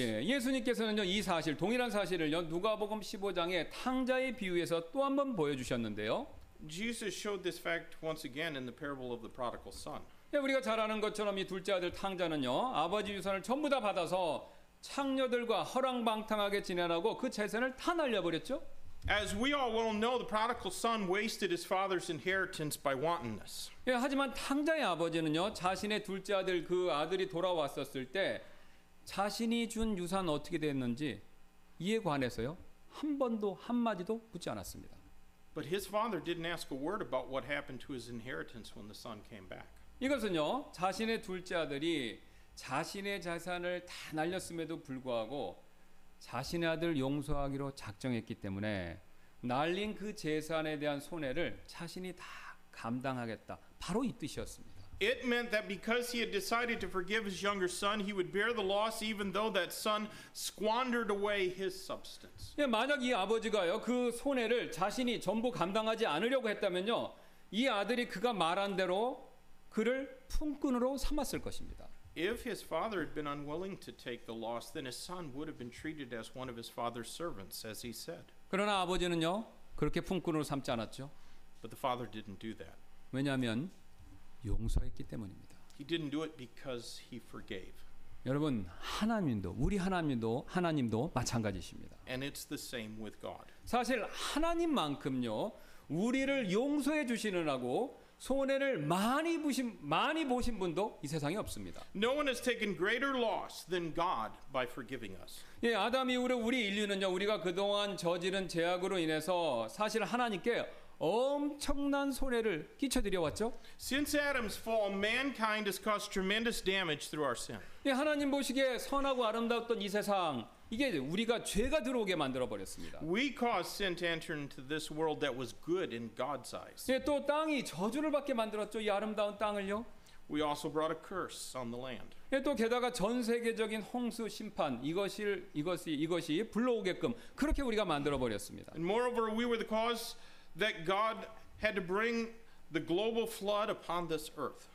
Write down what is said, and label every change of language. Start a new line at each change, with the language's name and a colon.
Korean: 예수님께서는요 이 사실 동일한 사실을요 누가복음 15장의 탕자의 비유에서 또 한 번 보여주셨는데요.
English: Jesus showed this fact once again in the parable of the prodigal son.
Korean: 예, 우리가 잘 아는 것처럼 이 둘째 아들 탕자는요 아버지 유산을 전부 다 받아서 창녀들과 허랑방탕하게 지내라고 그 재산을 다 날려버렸죠.
English: As we all well know, the prodigal son wasted his father's inheritance by wantonness.
Korean: 예, 하지만 탕자의 아버지는요 자신의 둘째 아들 그 아들이 돌아왔었을 때 자신이 준 유산 어떻게 됐는지 이에 관해서요 한 번도 한 마디도 묻지 않았습니다.
English: But his father didn't ask a word about what happened to his inheritance when the son came back.
Korean: 이것은요 자신의 둘째 아들이 자신의 자산을 다 날렸음에도 불구하고 자신의 아들 용서하기로 작정했기 때문에 날린 그 재산에 대한 손해를 자신이 다 감당하겠다. 바로 이 뜻이었습니다.
English: It meant that because he had decided to forgive his younger son, he would bear the loss even though that son squandered away his substance.
Korean: 예, 만약 이 아버지가요, 그 손해를 자신이 전부 감당하지 않으려고 했다면요, 이 아들이 그가 말한 대로 그를 품꾼으로 삼았을 것입니다.
English: If his father had been unwilling to take the loss, then his son would have been treated as one of his father's servants, as he said.
Korean: 그러나 아버지는요, 그렇게 품꾼으로 삼지 않았죠.
English: But the father didn't do that.
Korean: 왜냐하면 용서했기 때문입니다.
English: He didn't do it because he forgave.
Korean: 여러분 하나님도 우리 하나님도 하나님도 마찬가지십니다.
English: And it's the same with God.
Korean: 사실 하나님만큼요 우리를 용서해 주시느라고 손해를 많이 보신 분도 이 세상에 없습니다.
English: No one has taken greater loss than God by forgiving us.
Korean: 예, 아담 이후로 우리 인류는요 우리가 그동안 저지른 죄악으로 인해서 사실 하나님께 엄청난 손해를 끼쳐드려왔죠.
English: Since Adam's fall, mankind has caused tremendous damage through our sin.
Korean: 예, 하나님 보시기에 선하고 아름다웠던 이 세상, 이게 우리가 죄가 들어오게 만들어 버렸습니다.
English: We caused sin to enter into this world that was good in God's eyes.
Korean: 예, 또 땅이 저주를 받게 만들었죠, 이 아름다운 땅을요.
English: We also brought a curse on the land.
Korean: 예, 또 게다가 전 세계적인 홍수 심판 이것이 불러오게끔 그렇게 우리가 만들어 버렸습니다.
English: And moreover, we were the cause that God had to bring the global flood upon this earth.